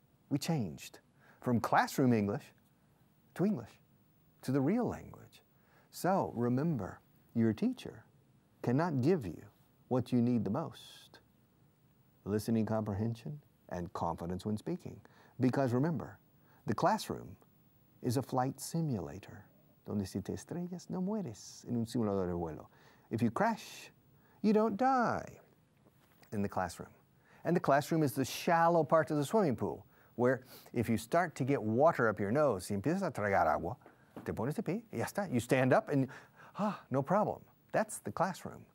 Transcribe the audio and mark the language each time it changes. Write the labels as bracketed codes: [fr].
[en] We changed from classroom English to English, to the real language. So remember, your teacher cannot give you what you need the most. listening comprehension, and confidence when speaking. Because remember, the classroom is a flight simulator. [es] Donde si te estrellas, no mueres en un simulador de vuelo. [en] If you crash, you don't die in the classroom. And the classroom is the shallow part of the swimming pool, where if you start to get water up your nose, [es] si empiezas a tragar agua, te pones de pie, y ya está. [en] You stand up and, no problem. That's the classroom.